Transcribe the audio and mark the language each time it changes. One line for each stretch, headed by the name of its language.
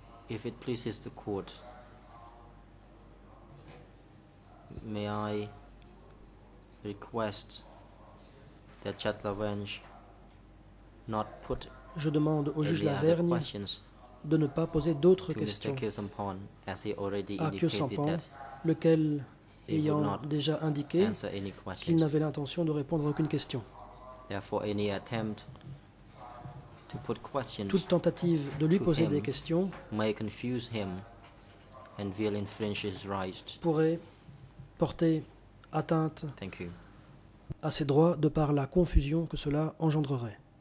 English: If it pleases the court, may I request that Judge Lavergne not put
French: je demande au juge Lavergne de ne pas poser d'autres questions
English: Khieu Sampan, as he already
French: à Khieu Sampan, lequel ayant déjà indiqué qu'il n'avait l'intention de répondre à aucune question.
English: Any attempt to put questions
French: toute tentative de lui poser des questions
English: may confuse him and will infringe his rights.
French: Pourrait porter atteinte
English: Thank you.
French: À ses droits de par la confusion que cela engendrerait.